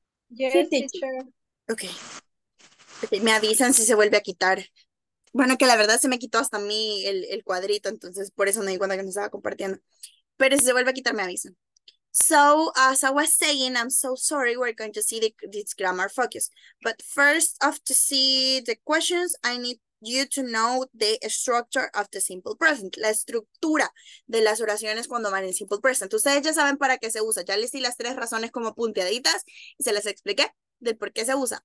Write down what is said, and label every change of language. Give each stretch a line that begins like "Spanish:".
English: Yes, teacher.
Spanish: Okay. Ok, me avisan si se vuelve a quitar. Bueno, que la verdad se me quitó hasta a mí el cuadrito, entonces por eso me di cuenta que no estaba compartiendo. Pero si se vuelve a quitar, me avisan.
English: So, as I was saying, I'm so sorry, we're going to see this grammar focus. But first, after seeing the questions, I need you to know the structure of the simple present.
Spanish: La estructura de las oraciones cuando van en simple present. Ustedes ya saben para qué se usa. Ya les di las tres razones como punteaditas y se las expliqué del por qué se usa.